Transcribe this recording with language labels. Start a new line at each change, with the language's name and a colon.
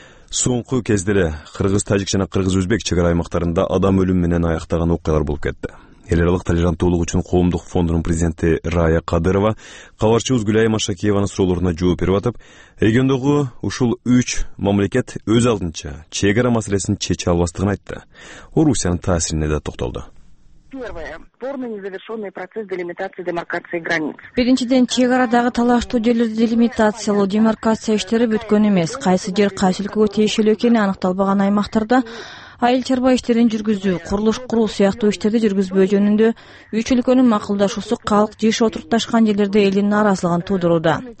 Kyrgyz: Соңку кезде эле кыргыз-тажик жана кыргыз-өзбек чек ара аймактарында адам өлүм менен аяктаган окуялар болуп кетти. Эл аралык толерантуулук үчүн коомдук фондунун президенти Рая Кадырова кабарчыбыз Гүлайым Ашакиеванын суроолоруна жооп берип атып, эгендогу ушул 3 мамлекет өз алдынча чек ара маселесин чече албастыгын айтты. Орусиянын таасирине да токтолду.
Russian: Первое. Спорный незавершенный процесс делимитации демаркации границ.
Kyrgyz: Биринчиден, чек арадагы талаштуу жерлерди делимитациялоо, демаркация иштери бүткөн эмес. Кайсы жер кайсы өлкөгө тиешелүү экени аныкталбаган аймактарда айыл чарба иштерин жүргүзүү, курулуш куруу сыяктуу иштерди жүргүзбөө жөнүндө үч өлкөнүн макулдашуусу калк жыйыш отурукташкан жерлерде элдин нааразылыгын туудурууда.